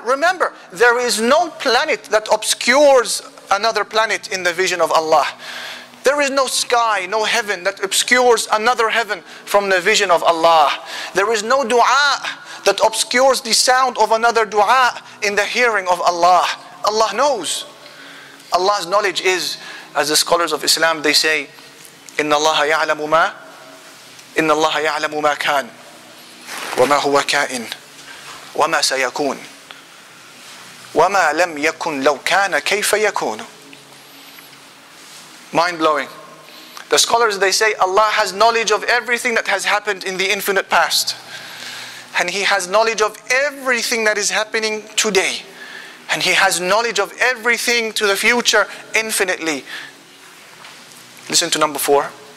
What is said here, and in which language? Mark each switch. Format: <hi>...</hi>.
<en>Remember, there is no planet that obscures another planet in the vision of Allah. There is no sky, no heaven that obscures another heaven from the vision of Allah. There is no dua that obscures the sound of another dua in the hearing of Allah. Allah knows. Allah's knowledge is, as the scholars of Islam, they say,</en> <ar>إِنَّ اللَّهَ يَعْلَمُ مَا إِنَّ اللَّهَ يَعْلَمُ مَا كَانَ وَمَا هُوَ كَائِنْ وَمَا سَيَكُونَ وَمَا لَمْ يَكُنْ لَوْ كَانَ كَيْفَ يَكُونَ.</ar> <en>Mind-blowing. The scholars, they say, Allah has knowledge of everything that has happened in the infinite past. And He has knowledge of everything that is happening today. And He has knowledge of everything to the future infinitely. Listen to number 4.</en>